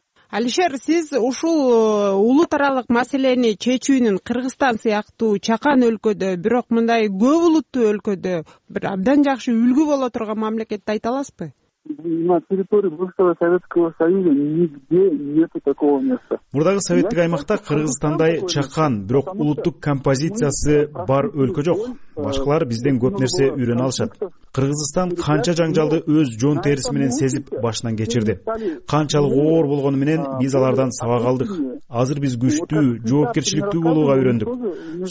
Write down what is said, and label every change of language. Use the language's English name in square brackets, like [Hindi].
[Kyrgyz] Алишер, сиз ушул улут аралык маселени чечүүнүн Кыргызстан сыяктуу чакан өлкөдө, бирок мындай көп улуттуу өлкөдө бир абдан жакшы үлгү боло турган мамлекетти айта аласызбы? [Russian] На территории бывшего Советского Союза нигде нету такого места. [Kyrgyz] Мурдагы советтик аймакта Кыргызстандай чакан, бирок улуттук композициясы бар өлкө жок. Башкалар бизден көп нерсе үйрөнө алышат. Кыргызстан канча жаңжалды өз жон териси менен сезип башынан кечирди. Канчалык оор болгону менен биз алардан сабак алдык. Азыр биз күчтүү, жоопкерчиликтүү болууга үйрөндүк.